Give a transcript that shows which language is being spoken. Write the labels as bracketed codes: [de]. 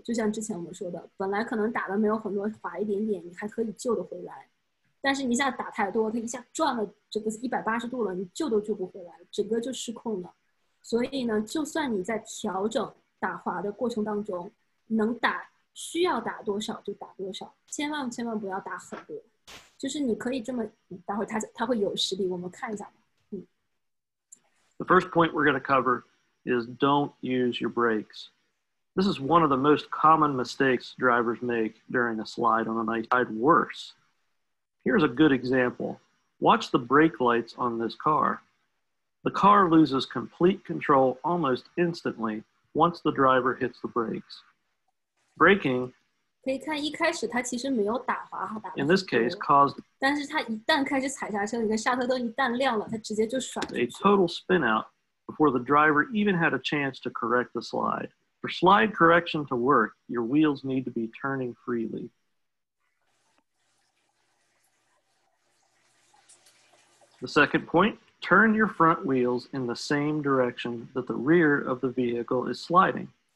[zh] 就像之前我们说的，本来可能打的没有很多，滑一点点你还可以救得回来，但是你一下打太多，他一下转了这个180度了，你救都救不回来，整个就失控了。所以呢就算你在调整打滑的过程当中能打需要打多少就打多少，千万千万不要打很多，就是你可以这么，待会他会有实例我们看一下。 [en] The first point we're going to cover is don't use your brakes. This is one of the most common mistakes drivers make during a slide on a nice slide. Worse, here's a good example. Watch the brake lights on this car. The car loses complete control almost instantly once the driver hits the brakes. Braking, [zh] 可以看一开始他其实没有打滑， [en] in this case, caused, [zh] 但是他一旦开始踩刹车，你看刹车灯一旦亮了，他直接就甩出去。 [en] A total spin out before the driver even had a chance to correct the slide. For slide correction to work, your wheels need to be turning freely. The second point, turn your front wheels in the same direction that the rear of the vehicle is sliding.